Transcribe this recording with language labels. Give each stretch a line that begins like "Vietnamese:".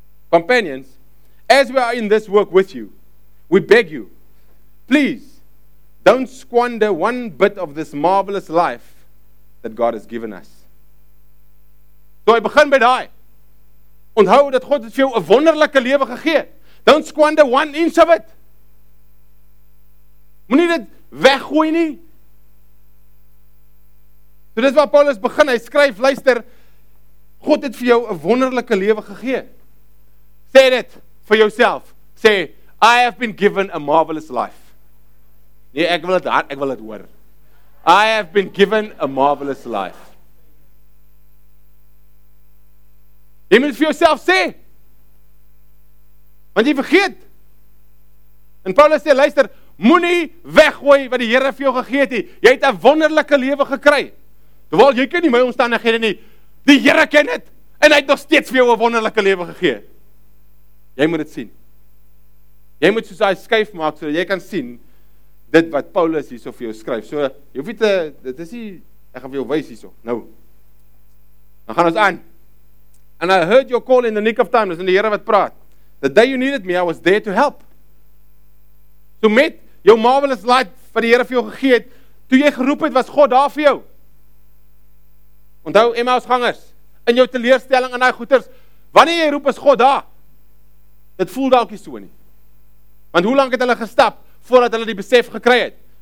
English: Companions, as we are in this work with you, we beg you, please don't squander one bit of this marvelous life that God has given us.
Afrikaans: So hy begin by daai. Onthou dat God het vir jou 'n wonderlike lewe gegee.
English: Don't squander one inch of it.
Afrikaans: Moenie dit weggooi nie. So dis waar Paulus begin. Hy skryf, luister, God het vir jou 'n wonderlike lewe gegee. Sê dit vir jouself. Sê,
English: I have been given a marvelous life.
Afrikaans: Nee, ek wil dit hoor.
English: I have been given a marvelous life.
Afrikaans: Jy moet vir jouself sê. Want jy vergeet. En Paulus sê, luister, moenie weggooi wat die Here vir jou gegee het nie. Jy het 'n wonderlike lewe gekry. Terwyl jy ken nie my omstandighede nie. Die Here ken dit en hy het nog steeds vir jou 'n wonderlike lewe gegee. Jy moet dit sien. Jy moet soos daai skuif maak sodat jy kan sien dit wat Paulus hierso vir jou skryf. So jy hoef nie te dit is nie ek gaan vir jou wys hierso. Nou. Dan gaan ons aan.
English: And I heard your call in the nick of time.
Afrikaans: Dis in die Here wat praat.
English: The day you needed me, I was there to help.
Afrikaans: So met jou marvelous light wat die Here vir jou gegee het, toe jy geroep het, was God daar vir jou. Onthou Emmausgangers, in jou teleurstelling en daai goeters, wanneer jy roep is God daar. Dit voel dalk nie so nie. Want hoe lank het hulle gestap voordat hulle die besef gekry het?